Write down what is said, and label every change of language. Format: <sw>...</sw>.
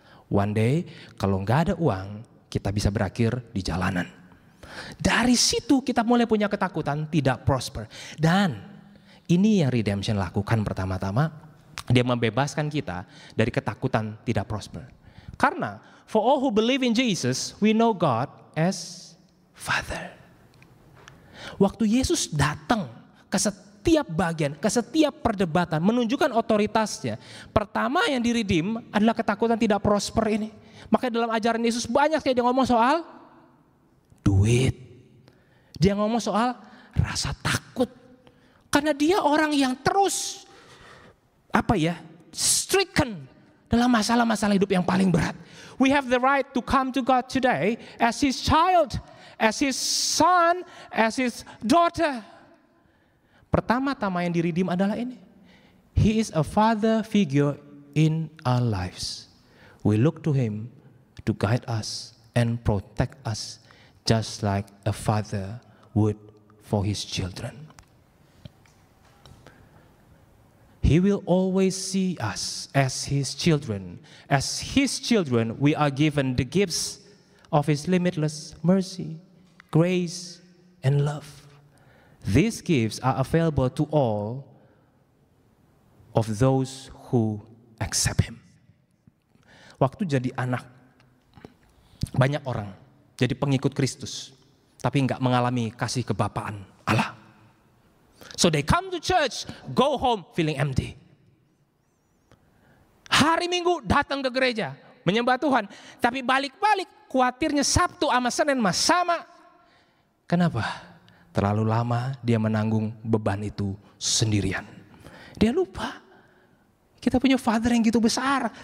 <en>One day</en> <id>kalau gak ada uang kita bisa berakhir di jalanan. Dari situ kita mulai punya ketakutan tidak prosper. Dan ini yang redemption lakukan pertama-tama. Dia membebaskan kita dari ketakutan tidak prosper. Karena</id> <en>for all who believe in Jesus, we know God as Father.</en> <id>Waktu Yesus datang ke setiap bagian, ke setiap perdebatan, menunjukkan otoritasnya, pertama yang diridim adalah ketakutan tidak prosper ini. Makanya dalam ajaran Yesus banyak sekali dia ngomong soal duit. Dia ngomong soal rasa takut. Karena dia orang yang terus stricken dalam masalah-masalah hidup yang paling berat.</id> <en>We have the right to come to God today as his child, as his son, as his daughter.</en> <id>Pertama-tama yang diridim adalah ini.</id> <en>He is a father figure in our lives. We look to him to guide us and protect us just like a father would for his children. He will always see us as his children. As his children, we are given the gifts of his limitless mercy, grace, and love. These gifts are available to all of those who accept him.</en> <id>Waktu jadi anak, banyak orang jadi pengikut Kristus, tapi enggak mengalami kasih kebapaan Allah.</id> <en>So they come to church, go home feeling empty.</en> <id>Hari Minggu datang ke gereja, menyembah Tuhan. Tapi balik-balik, khawatirnya Sabtu sama Senin sama. Kenapa? Terlalu lama dia menanggung beban itu sendirian. Dia lupa. Kita punya Father yang gitu besar.</id>